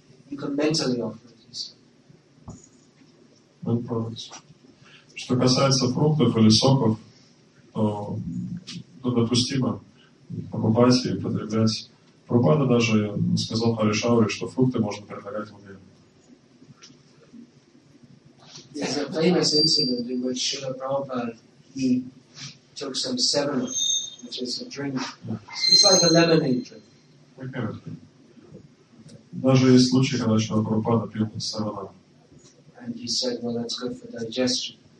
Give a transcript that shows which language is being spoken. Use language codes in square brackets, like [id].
[en] You can mentally offer it. No problems. [ru] Что касается фруктов или соков, то допустимо покупать и потреблять. Прабхупада даже сказал Харишаве, что фрукты можно предлагать в уме. [en] There's a famous incident in which Srila Prabhupada took some seven, which is a drink. It's like a lemonade drink. [ru] Даже есть случай, когда Шрила Прабхупада пил севена. [en] And he said, well, that's good for digestion.